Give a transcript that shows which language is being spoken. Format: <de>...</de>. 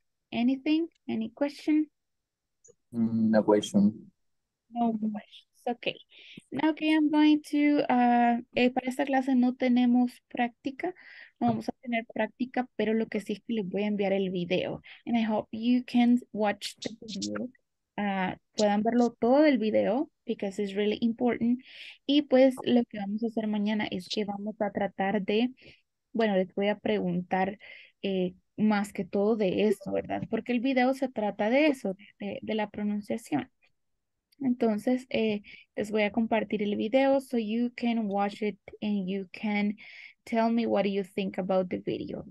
<en>Anything? Any question? No question. No questions. Okay. Now que I'm going to,</en> <es>para esta clase no tenemos práctica. No vamos a tener práctica, pero lo que sí es que les voy a enviar el video.</es> <en>And I hope you can watch the video.</en> <es>Puedan verlo todo el video,</es> <en>because it's really important.</en> <es>Y pues lo que vamos a hacer mañana es que vamos a tratar de, bueno, les voy a preguntar más que todo de eso, ¿verdad? Porque el video se trata de eso, de la pronunciación. Entonces, les voy a compartir el video</es> <en>so you can watch it and you can tell me what you think about the video.</en>